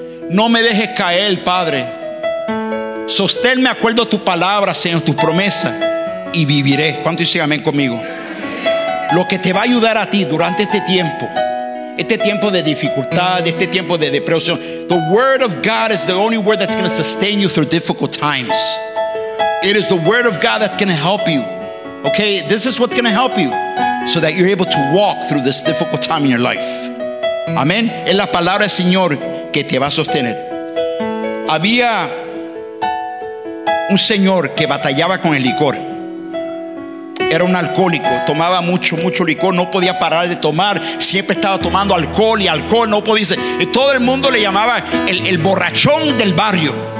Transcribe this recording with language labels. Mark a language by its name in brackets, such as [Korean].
[Spanish] No me dejes caer, Padre. Sosténme acuerdo a tu palabra, Señor, tu promesa, y viviré. ¿Cuánto dice amén conmigo? Lo que te va a ayudar a ti durante este tiempo de dificultad, este tiempo de depresión. [English] The word of God is the only word that's going to sustain you through difficult times. It is the word of God that's going to help you. Okay, this is what's going to help you, so that you're able to walk through this difficult time in your life. [Spanish] Amén. Es la palabra del Señor que te va a sostener. Había un señor que batallaba con el licor. Era un alcohólico. Tomaba mucho, mucho licor. No podía parar de tomar. Siempre estaba tomando alcohol y alcohol. No podía. Y todo el mundo le llamaba el borrachón del barrio.